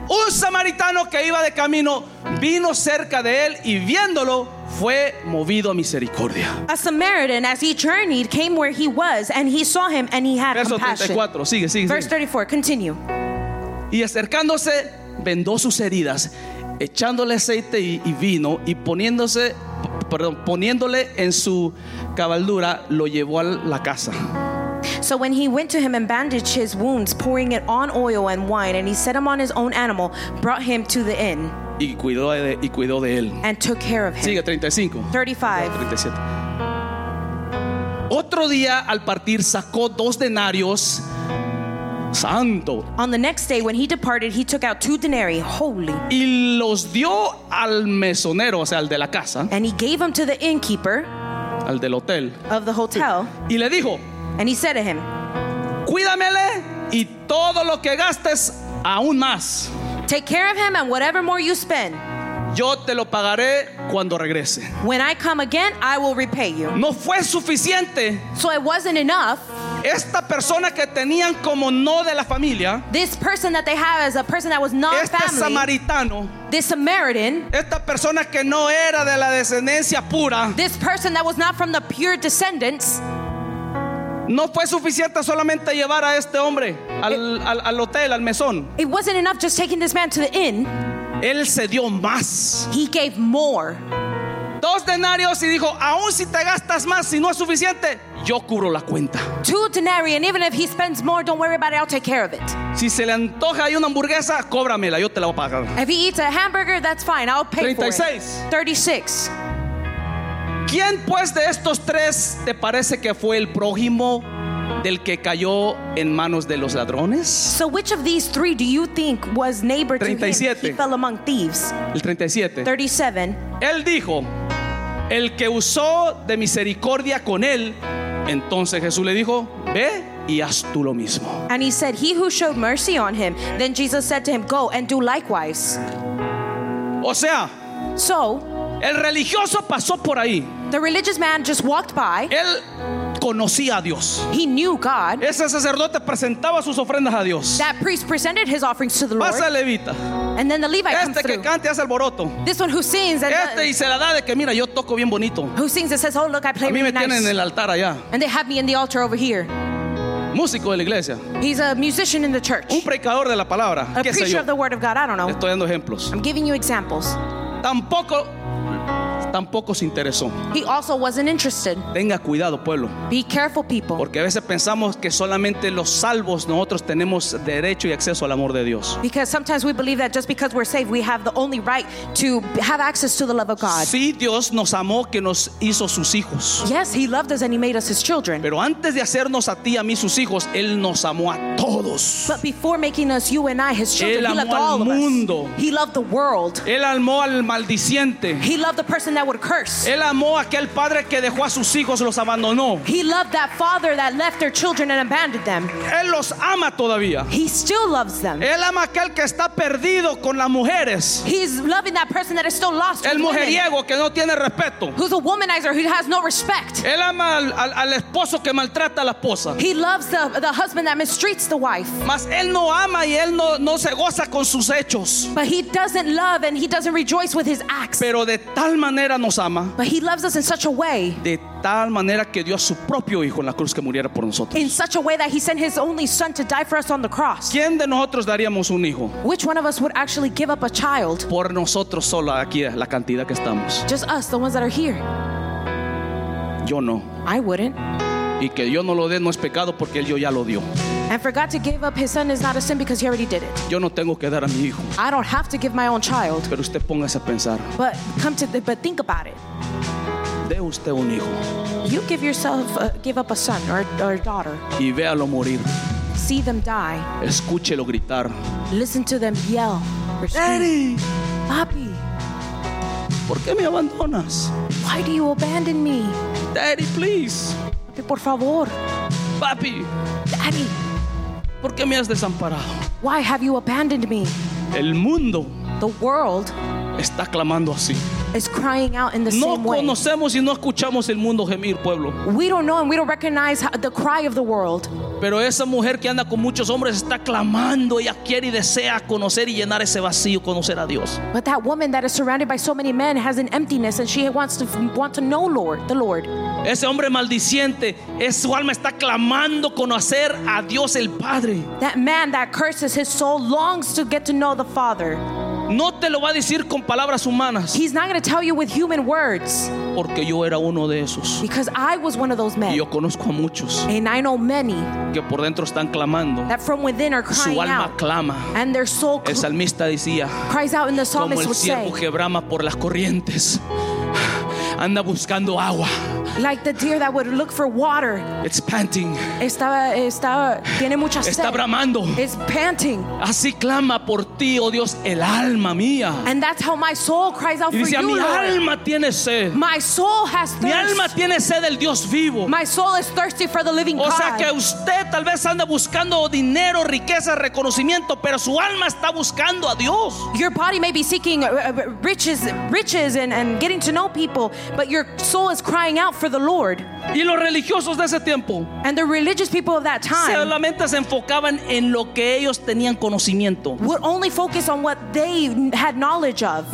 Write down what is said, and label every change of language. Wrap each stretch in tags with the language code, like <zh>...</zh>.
<es>Un samaritano que iba de camino vino cerca de él y viéndolo fue movido a misericordia.</es> <en>A Samaritan, as he journeyed, came where he was, and he saw him, and he had</en> <es>Verso</es> <en>compassion.</en> <es>34. Sigue.</es> <en>Verse 34, continue.</en> <es>Y acercándose, vendó sus heridas, echándole aceite y vino, y poniéndole en su cabaldura, lo llevó a la casa.</es> <en>So when he went to him and bandaged his wounds, pouring it on oil and wine, and he set him on his own animal, brought him to the inn.</en> <es>Y cuidó de él.</es> <en>And took care of him.</en> <es>Sigue 35. Otro día al partir sacó dos denarios Santo.</es> <en>On the next day when he departed, he took out 2 denarii, holy.</en> <es>Y los dio al mesonero, o sea, al de la casa.</es> <en>And he gave them to the innkeeper.</en> <es>Al del hotel.</es> <en>Of the hotel.</en> <es>Y le dijo.</es> <en>And he said to him.</en> <es>Cuídamele y todo lo que gastes aún más.</es> <en>Take care of him and whatever more you spend.</en> <es>Yo te lo pagaré cuando regrese.</es> <en>When I come again, I will repay you.</en> <es>No fue suficiente.</es> <en>So it wasn't enough.</en> <es>Esta persona que tenían como no de la familia.</es> <en>This person that they have as a person that was not</en> <es>este</es> <en>family.</en> <es>Este samaritano.</es> <en>This Samaritan.</en> <es>Esta persona que no era de la descendencia pura.</es> <en>This person that was not from the pure descendants.</en> <es>No fue suficiente solamente llevar a este hombre al hotel, al mesón.</es> <en>It wasn't enough just taking this man to the inn.</en> <es>Él se dio más.</es> <en>He gave more.</en> <es>2 denarios y dijo, aún si te gastas más, si no es suficiente, yo cubro la cuenta.</es> <en>2 denarii, and even if he spends more, don't worry about it, I'll take care of it.</en> <es>Si se le antoja ahí una hamburguesa, cóbramela, yo te la voy a pagar.</es> <en>If he eats a hamburger, that's fine, I'll pay</en> <es>36.</es> <en>For it. 36.</en> <es>¿Quién pues de estos tres te parece que fue el prójimo del que cayó en manos de los ladrones?</es> <en>So which of these three do you think was neighbor</en> <es>37.</es> <en>To him? He fell among thieves.</en> <es>El 37.</es> <en>37.</en> <es>Él dijo, el que usó de misericordia con él. Entonces Jesús le dijo, ve y haz tú lo mismo.</es> <en>And he said, he who showed mercy on him. Then Jesus said to him, go and do likewise.</en> <es>O sea,</es> <en>so,</en> <es>el religioso pasó por ahí.</es> <en>The religious man just walked by.</en> <es>Él conocía a Dios.</es> <en>He knew God.</en> <es>Ese sacerdote presentaba sus ofrendas a Dios.</es> <en>That priest presented his offerings to the Lord.</en> <es>Pasa el levita.</es> <en>And then the Levite</en> <es>este</es> <en>comes through.</en> <es>Que cante, hace alboroto.</es> <en>This one who sings. And</en> <es>este y se la da de que mira, yo toco bien bonito.</es> <en>Who sings and says, oh look, I play</en> <es>a mí me</es> <en>really</en> <es>tienen</es> <en>nice.</en> <es>En el altar allá.</es> <en>And they have me in the altar over here.</en> <es>Músico de la iglesia.</es> <en>He's a musician in the church.</en> <es>Un predicador de la palabra.</es> <en>A</en> <es>¿qué</es> <en>preacher</en> <es>sé yo?</es> <en>Of the word of God. I don't know.</en> <es>Estoy dando ejemplos.</es> <en>I'm giving you examples.</en> <es>Tampoco se interesó.</es> <en>He also wasn't interested.</en> <es>Tenga cuidado, pueblo.</es> <en>Be careful, people.</en> <es>Porque a veces pensamos que solamente los salvos nosotros tenemos derecho y acceso al amor de Dios.</es> <en>Because sometimes we believe that just because we're saved, we have the only right to have access to the love of God.</en> <es>Sí, Dios nos amó que nos hizo sus hijos.</es> <en>Yes, he loved us and he made us his children.</en> <es>Pero antes de hacernos a ti y a mí sus hijos, él nos amó a todos.</es> <en>But before making us you and I his children, he loved all</en> <es>mundo.</es> <en>Of us. He loved the world.</en> <es>Él amó al maldiciente.</es> <en>He loved the person that would curse.</en> <es>Él amó aquel padre que dejó a sus hijos, los abandonó.</es> <en>He loved that father that left their children and abandoned them.</en> <es>Él los ama todavía.</es> <en>He still loves them.</en> <es>Él ama aquel que está perdido con las mujeres.</es> <en>He's loving that person that is still lost.</en> <es>El mujeriego</es> <en>women.</en> <es>Que no tiene respeto.</es> <en>Who's a womanizer who has no respect.</en> <es>Él ama al esposo que maltrata a la esposa.</es> <en>He loves the husband that mistreats the wife.</en> <es>Mas él no ama y él no se goza con sus hechos.</es> <en>But he doesn't love and he doesn't rejoice with his acts.</en> <es>Pero de tal manera nos ama.</es> <en>But he loves us in such a way.</en> <es>De tal manera que dio a su propio hijo en la cruz que muriera por nosotros.</es> <en>In such a way that he sent his only son to die for us on the cross.</en> <es>¿Quién de nosotros daríamos un hijo?</es> <en>Which one of us would actually give up a child?</en> <es>Por nosotros solo aquí la cantidad que estamos.</es> <en>Just us, the ones that are here.</en> <es>Yo no.</es> <en>I wouldn't.</en> <es>Y que yo no lo dé no es pecado porque él ya lo dio.</es> <en>And for God to give up his son is not a sin because he already did it.</en> <es>Yo no tengo que dar a mi hijo.</es> <en>I don't have to give my own child.</en> <es>Pero usted póngase a pensar.</es> <en>But think about it.</en> <es>De usted un hijo.</es> <en>You give yourself, give up a son or a daughter.</en> <es>Y véalo morir.</es> <en>See them die.</en> <es>Escúchelo gritar.</es> <en>Listen to them yell. Daddy.</en> <es>Papi. ¿Por qué me abandonas?</es> <en>Why do you abandon me? Daddy, please.</en> <es>Papi, por favor. Papi.</es> <en>Daddy.</en> <es>¿Por qué me has desamparado?</es> <en>Why have you abandoned me?</en> <es>El mundo.</es> <en>The world.</en> <es>Está clamando así.</es> <en>Is crying out in the</en> <es>no</es> <en>same way.</en> <es>No conocemos y no escuchamos el mundo gemir, pueblo.</es> <en>We don't know and we don't recognize the cry of the world.</en> <es>Pero esa mujer que anda con muchos hombres está clamando. Ella quiere y desea conocer y llenar ese vacío, conocer a Dios.</es> <en>But that woman that is surrounded by so many men has an emptiness and she wants to know Lord, the Lord.</en> <es>Ese hombre maldiciente, su alma está clamando conocer a Dios el Padre.</es> <en>That man that curses his soul longs to get to know the Father.</en> <es>No te lo va a decir con palabras humanas.</es> <en>He's not going to tell you with human words.</en> <es>Porque yo era uno de esos.</es> <en>Because I was one of those men.</en> <es>Y yo conozco a muchos.</es> <en>And I know many.</en> <es>Que por dentro están clamando.</es> <en>That from within are crying out.</en> <es>Su alma clama.</es> <en>And their soul</en> <es>el salmista decía,</es> <en>cries out in the psalmist</en> <es>como el siervo que brama por las corrientes. anda buscando agua.</es> <en>Like the deer that would look for water. It's panting.</en> <es>Estaba tiene mucha sed. Está bramando.</es> <en>It's panting.</en> <es>Así clama por ti, oh Dios, el alma mía.</es> <en>And that's how my soul cries out</en> <es>y dice,</es> <en>for you.</en> <es>Mi alma tiene sed.</es> <en>My soul has thirst.</en> <es>Mi alma tiene sed del Dios vivo.</es> <en>My soul is thirsty for the living God.</en> <es>O sea que usted tal vez anda buscando dinero, riqueza, reconocimiento, pero su alma está buscando a Dios.</es> <en>Your body may be seeking riches and getting to know people, but your soul is crying out for the Lord.</en> <es>Y los religiosos de ese tiempo,</es> <en>and the religious people of that time,</en> <es>solamente se enfocaban en lo que ellos tenían conocimiento.</es> <en>Would only focus on what they had knowledge of.</en>